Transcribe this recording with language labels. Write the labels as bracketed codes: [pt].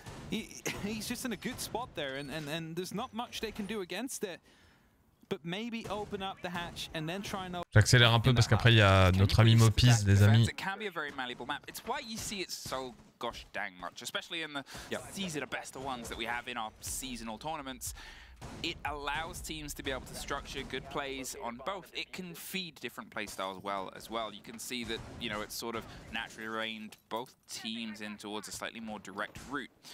[en] he's just in a good spot there and there's not much they can do against it. But maybe open up the hatch and then try and open. [fr] J'accélère un peu parce qu'après il y a notre ami Mopis, les amis. [en] It can be a very malleable map. It's why you see it so gosh dang much, especially in the season of best of ones that we have in our seasonal tournaments. It allows teams to be able to structure good plays on both. It can feed different play styles well as well. You can see that, you know, it's sort of naturally reined both teams in towards a slightly more direct route.